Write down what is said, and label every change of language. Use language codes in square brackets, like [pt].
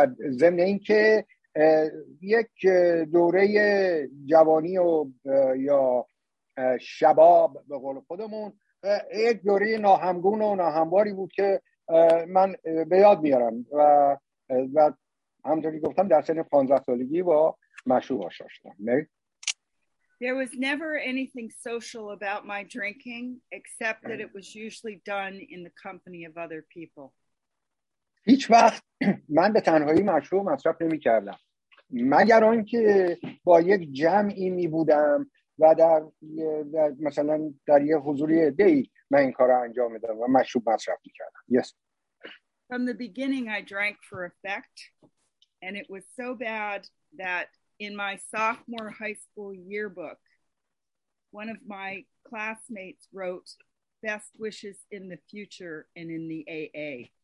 [fa] ضمن این که یک دوره جوانی و یا شباب به قول خودمون یک دوره ناهمگون و ناهمواری بود که من به یاد میارم و همونطوری گفتم در سن 15 سالگی با مشروب آشنا شدم. [en] There was never anything social about my drinking except that it was usually done in the company of other people. [fa] هیچ وقت من به تنهایی مشروب مصرف نمی کردم مگر آنکه با یک جمعی می بودم و در مثلا در یه حضوری عده‌ای من این کار را انجام میدادم و مشروب مصرف میکردم. [en] Yes. From the beginning I drank for effect and it was so bad that in my sophomore high school yearbook one of my classmates wrote best wishes in the future and in the AA.